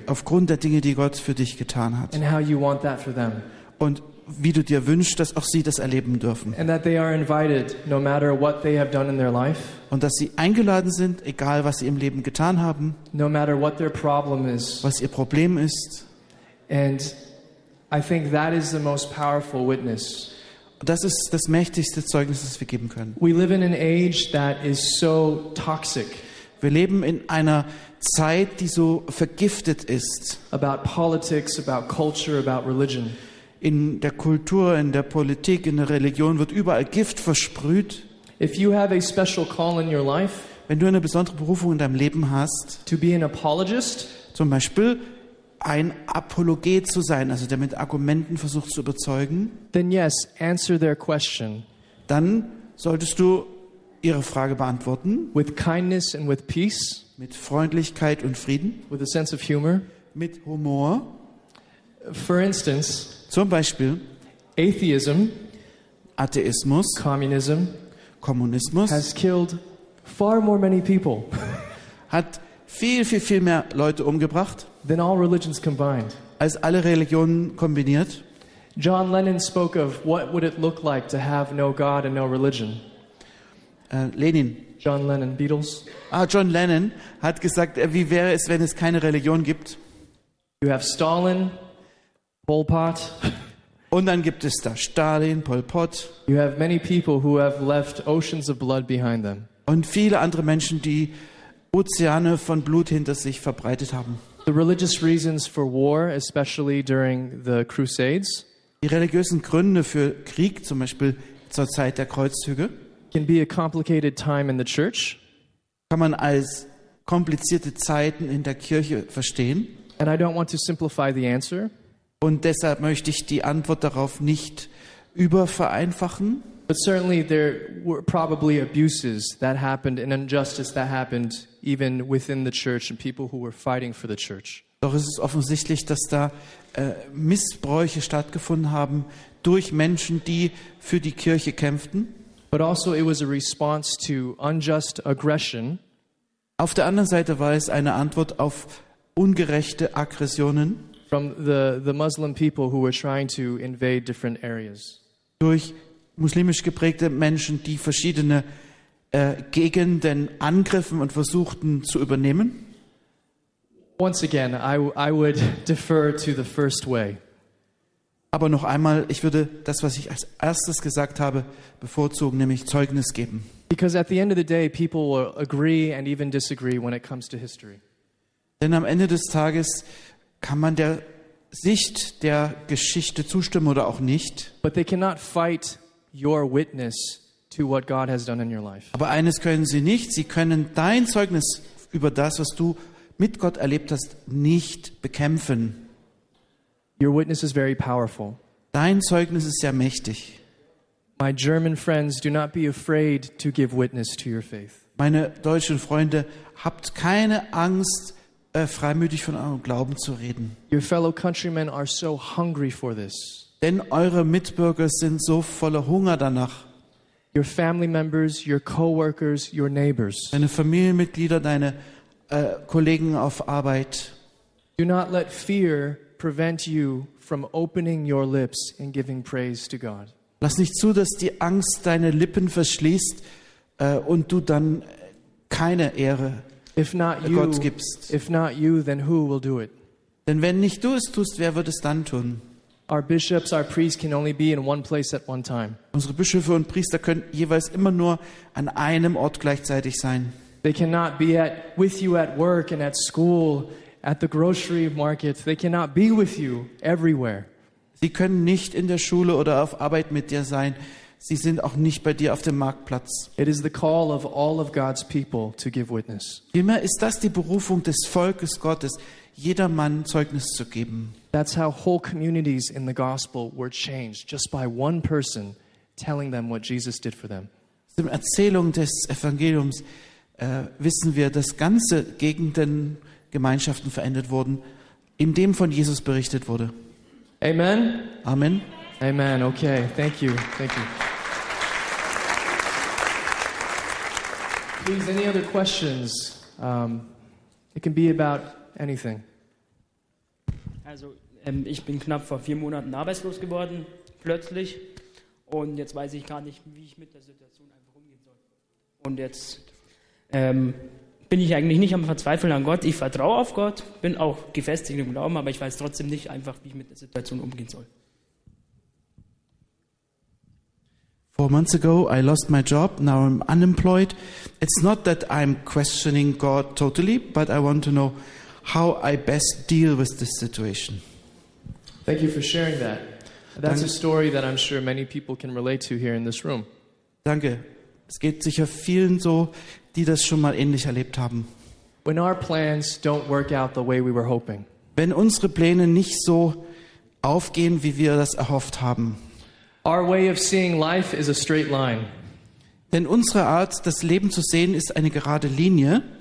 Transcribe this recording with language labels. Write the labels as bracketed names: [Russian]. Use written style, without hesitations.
[German] Aufgrund der Dinge, die Gott für dich getan hat. [English] And how you want that for them. [German] Und wie du dir wünschst, dass auch sie das erleben dürfen. [English] And that they are invited, no matter what they have done in their life. [German] Und dass sie eingeladen sind, egal was sie im Leben getan haben. [English] No matter what their problem is. [German] Was ihr Problem ist. [English] And I think that is the most powerful witness. [German] Das ist das mächtigste Zeugnis, das wir geben können. [English] We live in an age that is so toxic. [German] Wir leben in einer Zeit, die so vergiftet ist. [English] About politics, about culture, about religion. [German] In der Kultur, in der Politik, in der Religion wird überall Gift versprüht. [English] If you have a special call in your life, [German] wenn du eine besondere Berufung in deinem Leben hast, [English] to be an apologist, [German] zum Beispiel ein Apologet zu sein, also der mit Argumenten versucht zu überzeugen, [English] then yes, answer their question. [German] Dann solltest du ihre Frage beantworten. [English] With kindness and with peace. [German] Mit Freundlichkeit und Frieden. [English] With a sense of humor. [German] Mit Humor. [English] For instance, [German] zum Beispiel [English] atheism, [German] Atheismus, [English] communism, [German] Kommunismus [English] has killed far more many people. [German] Hat viel, viel, viel mehr Leute umgebracht. [English] Than all religions combined. [German] Als alle Religionen kombiniert. [English] John Lennon spoke of what would it look like to have no God and no religion. [German] Lenin. [English] John Lennon, Beatles. [German] Ah, John Lennon hat gesagt, wie wäre es, wenn es keine Religion gibt? [English] You have Stalin, Pol Pot. [German] Und dann gibt es da Stalin, Pol Pot. [English] You have many people who have left oceans of blood behind them. [German] Und viele andere Menschen, die Ozeane von Blut hinter sich verbreitet haben. [English] The religious reasons for war, especially during the Crusades, [German] die religiösen Gründe für Krieg, zum Beispiel zur Zeit der Kreuzzüge, [English] can be a complicated time in the church, [German] kann man als komplizierte Zeiten in der Kirche verstehen. [English] And I don't want to simplify the answer. [German] Und deshalb möchte ich die Antwort darauf nicht übervereinfachen. [English] But certainly there were probably abuses that happened and injustice that happened even within the church and people who were fighting for the church. [German] Doch es ist offensichtlich, dass da Missbräuche stattgefunden haben durch Menschen, die für die Kirche kämpften. [English] But also it was a response to unjust aggression. [German] Auf der anderen Seite war es eine Antwort auf ungerechte Aggressionen [English] from the Muslim people who were trying to invade different areas. [German] Durch muslimisch geprägte Menschen, die verschiedene gegen den Angriffen und versuchten zu übernehmen? [English] Once again, I would defer to the first way. [German] Aber noch einmal, ich würde das, was ich als erstes gesagt habe, bevorzugen, nämlich Zeugnis geben. [English] Because at the end of the day, people will agree and even disagree when it comes to history. [German] Denn am Ende des Tages kann man der Sicht der Geschichte zustimmen oder auch nicht. [English] But they cannot fight your witness to what God has done in your life. [German] Aber eines können sie nicht, sie können dein Zeugnis über das, was du mit Gott erlebt hast, nicht bekämpfen. [English] Your witness is very powerful. [German] Dein Zeugnis ist sehr mächtig. [English] My German friends, do not be afraid to give witness to your faith. [German] Meine deutschen Freunde, habt keine Angst, freimütig von eurem Glauben zu reden. [English] Your fellow countrymen are so hungry for this. [German] Denn eure Mitbürger sind so voller Hunger danach. [English] Your family members, your coworkers, your neighbors. [German] Deine Familienmitglieder, deine Kollegen auf Arbeit. [English] Do not let fear prevent you from opening your lips and giving praise to God. [German] Lass nicht zu, dass die Angst deine Lippen verschließt und du dann keine Ehre Gott gibst. [English] If not you, then who will do it? [German] Denn wenn nicht du es tust, wer wird es dann tun? [English] Our bishops, our priests can only be in one place at one time. [German] Unsere Bischöfe und Priester können jeweils immer nur an einem Ort gleichzeitig sein. [English] They cannot be with you at work and at school, at the grocery market. They cannot be with you everywhere. [German] Sie können nicht in der Schule oder auf Arbeit mit dir sein. Sie sind auch nicht bei dir auf dem Marktplatz. [English] It is the call of all of God's people to give witness. [German] Vielmehr ist das die Berufung des Volkes Gottes, jedermann Zeugnis zu geben. [English] That's how whole communities in the gospel were changed, just by one person telling them what Jesus did for them. [German] In der Erzählung des Evangeliums wissen wir, dass ganze Gegenden, Gemeinschaften verändert wurden, indem von Jesus berichtet wurde. [English] Amen. [German] Amen. [English] Amen. Okay. Thank you. Thank you. Please, any other questions? It can be about anything. [German] Also, ich bin knapp vor 4 Monaten arbeitslos geworden, plötzlich. Und jetzt weiß ich gar nicht, wie ich mit der Situation einfach umgehen soll. Und jetzt bin ich eigentlich nicht am Verzweifeln an Gott. Ich vertraue auf Gott, bin auch gefestigt im Glauben, aber ich weiß trotzdem nicht einfach, wie ich mit der Situation umgehen soll. [English] 4 months ago, I lost my job. Now I'm unemployed. It's not that I'm questioning God totally, but I want to know how I best deal with this situation. Thank you for sharing that. That's a story that I'm sure many people can relate to here in this room. [German] Danke. Es geht sicher vielen so, die das schon mal ähnlich erlebt haben. [English] When our plans don't work out the way we were hoping. [German] Wenn unsere Pläne nicht so aufgehen, wie wir das erhofft haben. [English] Our way of seeing life is a straight line. [German] Denn unsere Art, das Leben zu sehen, ist eine gerade Linie.